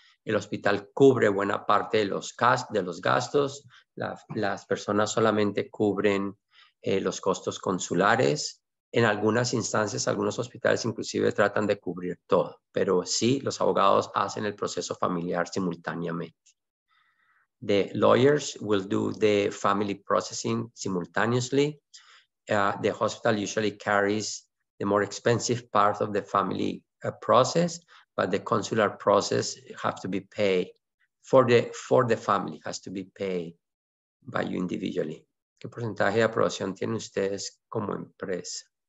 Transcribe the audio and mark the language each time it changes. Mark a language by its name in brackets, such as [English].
[Spanish] El hospital cubre buena parte de los gastos. Las personas solamente cubren los costos consulares. En algunas instancias, algunos hospitales inclusive tratan de cubrir todo. Pero sí, los abogados hacen el proceso familiar simultáneamente. [English] The lawyers will do the family processing simultaneously. The hospital usually carries the more expensive part of the family process, but the consular process has to be paid for the family, has to be paid by you individually. [Spanish] ¿Qué porcentaje de aprobación tienen ustedes como empresa?